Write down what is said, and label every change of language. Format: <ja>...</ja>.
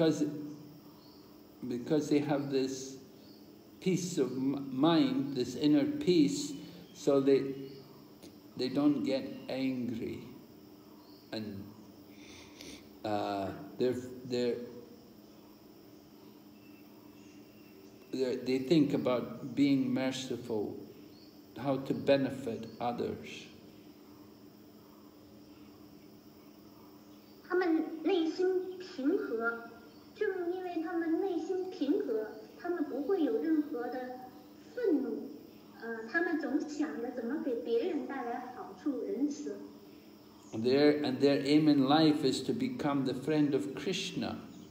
<en>So because they have this peace of mind, this inner peace, so they don't get angry, and they think about being merciful, how to benefit others.</en> <zh>他们内心平和，正因为他们内心平和，他们不会有任何的愤怒。</zh> <en>Their aim in life is to become the friend of Krishna.</en>